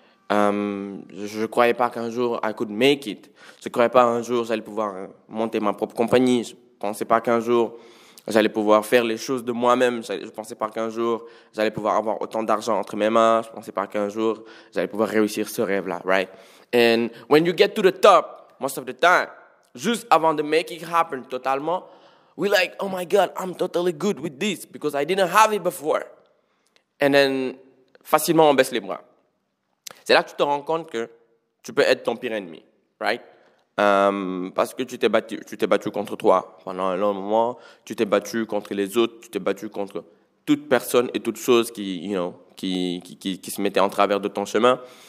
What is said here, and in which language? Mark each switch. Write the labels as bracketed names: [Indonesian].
[French] Je ne croyais pas qu'un jour, [English] I could make it. [French] Je ne croyais pas qu'un jour, j'allais pouvoir monter ma propre compagnie. Je ne pensais pas qu'un jour, j'allais pouvoir faire les choses de moi-même. Je ne pensais pas qu'un jour, j'allais pouvoir avoir autant d'argent entre mes mains. Je ne pensais pas qu'un jour, j'allais pouvoir réussir ce rêve-là, right? [English] And when you get to the top, most of the time, [French] juste avant de [English] make it happen [French] totalement, [English] we're like, oh my God, I'm totally good with this because I didn't have it before. And then, [French] facilement, on baisse les bras. C'est là que tu te rends compte que tu peux être ton pire ennemi, right? Parce que tu t'es battu contre toi pendant un long moment, tu t'es battu contre les autres, tu t'es battu contre toute personne et toute chose qui se mettait en travers de ton chemin.